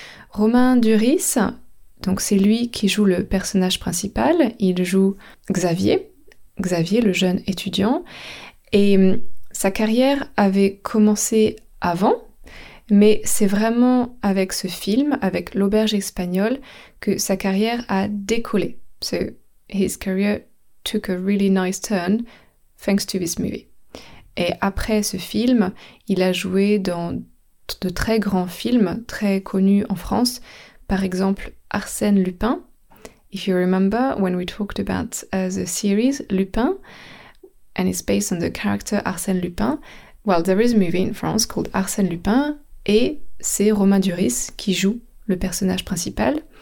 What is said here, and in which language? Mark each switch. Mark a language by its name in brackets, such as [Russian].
[French] Romain Duris, donc c'est lui qui joue le personnage principal, il joue Xavier, le jeune étudiant, et sa carrière avait commencé avant, mais c'est vraiment avec ce film, avec L'Auberge espagnole, que sa carrière a décollé. [English] So, his career took a really nice turn thanks to this movie. [French] Et après ce film, il a joué dans de très grands films, très connus en France, par exemple Arsène Lupin. [English] If you remember when we talked about the series Lupin, and it's based on the character Arsène Lupin, well, there is a movie in France called Arsène Lupin, [French] et c'est Romain Duris qui joue le personnage principal.